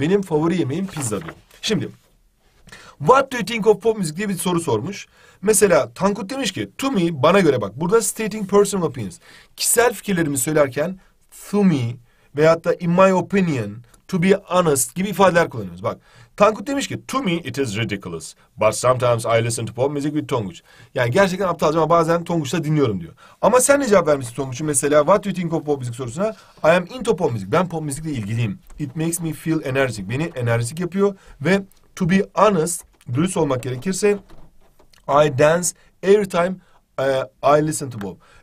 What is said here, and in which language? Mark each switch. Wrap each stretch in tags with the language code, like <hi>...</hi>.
<tr>Benim favori yemeğim pizza diyor. Şimdi,</tr> <en>what do you think of pop music</en> <tr>diye bir soru sormuş. Mesela Tankut demiş ki, to me, bana göre bak. Burada</tr> <en>stating personal opinions.</en> <tr>Kişisel fikirlerimi söylerken, to me veyahut da in my opinion, to be honest gibi ifadeler kullanıyoruz. Bak, Tankut demiş ki,</tr> <en>to me it is ridiculous. But sometimes I listen to pop music with Tonguç.</en> <tr>Yani gerçekten aptalca ama bazen Tonguç da dinliyorum diyor. Ama sen ne cevap vermişsin Tonguç'un mesela,</tr> <en>what do you think of pop music</en> <tr>sorusuna?</tr> <en>I am into pop music.</en> <tr>Ben pop müzikle ilgiliyim.</tr> <en>It makes me feel energetic.</en> <tr>Beni enerjik yapıyor.</tr> <en>Ve to be honest,</en> <tr>dürüst olmak gerekirse,</tr> <en>I dance every time I listen to pop.</en>